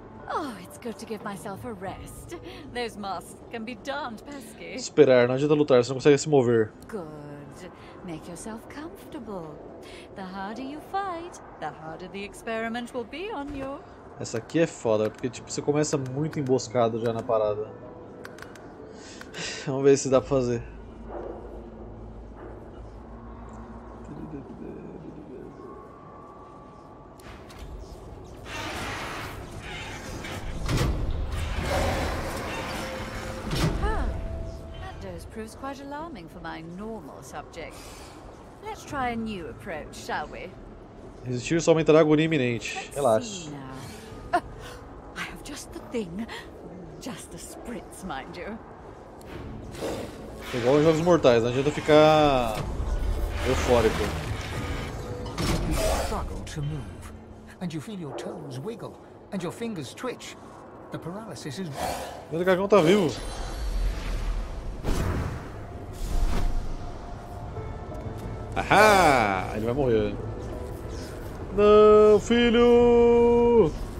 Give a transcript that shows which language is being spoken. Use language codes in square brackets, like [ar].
[en] Oh, it's good to give myself a rest. Those masks can be darned pesky. [pt] Esperar, não adianta lutar, você não consegue se mover. [en] Good. Make yourself comfortable. The harder you fight, the harder the experiment will be on you. [pt] Essa aqui é foda, porque tipo, você começa muito emboscado já na parada. Vamos ver se dá pra fazer. Ah, [en] proves quite alarming for my normal subject. Let's try a new approach, shall we? [pt] Resistir somente à agonia iminente. Relaxa. [en] I have just the thing. Just a spritz, mind you. [pt] Igual em jogos mortais, não adianta ficar eufórico. [en] You struggle to move, and you feel your toes wiggle, and your fingers twitch. The paralysis is... [pt] Meu dragão tá vivo. Ahá! Ele vai morrer. Não, filho!